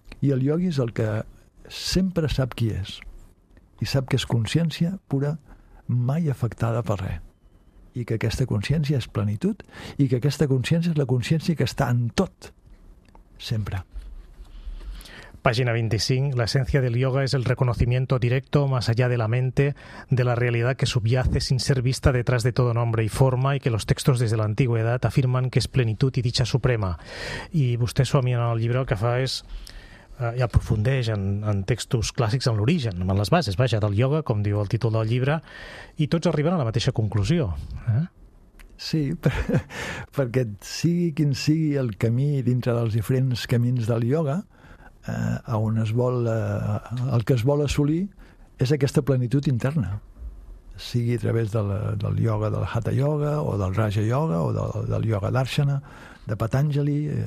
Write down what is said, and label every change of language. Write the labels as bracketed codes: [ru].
[ca] I el iogui és el que sempre sap qui és i sap que és consciència pura, mai afectada per res. I que aquesta consciència és plenitud i que aquesta consciència és la consciència que està en tot, sempre. [es] Página 25. La esencia del yoga es el reconocimiento directo más allá de la mente de la realidad que subyace sin ser vista detrás de todo nombre y forma y que los textos desde la antigüedad afirman que es plenitud y dicha suprema. [ca] Y vostè, Swami, en el llibre el que fa és i aprofundeix en textos clàssics, en l'origen, en les bases, vaja, del yoga, com diu el títol del llibre, i tots arriben a la mateixa conclusió. Sí, perquè sigui quin sigui el camí dintre dels diferents camins del yoga, a on es vol, el que es vol assolir és aquesta plenitud interna, sigui a través del yoga, del Hatha Yoga o del Raja Yoga o del yoga d'Arshana, de Patanjali,